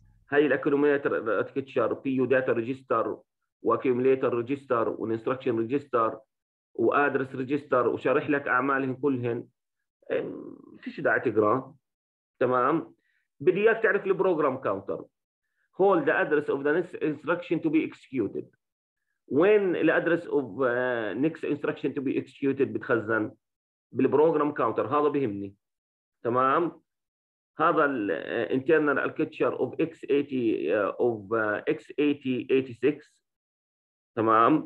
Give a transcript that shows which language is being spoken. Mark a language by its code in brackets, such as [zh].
[ar] هاي الأكوميليتر أتكتشر فيه داتا ريجستر وأكوميليتر ريجستر وإنستركشن ريجستر وأدرس ريجستر وشرح لك أعمالهم كلهن. فيش داعي تقرأ. تمام؟ بدي إياك تعرف البروجرام كاونتر. [en] Hold the address of the instruction to be executed. [ar] وين الادرس اوف نيكست انستراكشن تو بي اكسكيوتد بتخزن بالبروجرام كاونتر. هذا بهمني. تمام. هذا الانترنال الكتشر اوف اكس 80 اوف اكس 8086. تمام.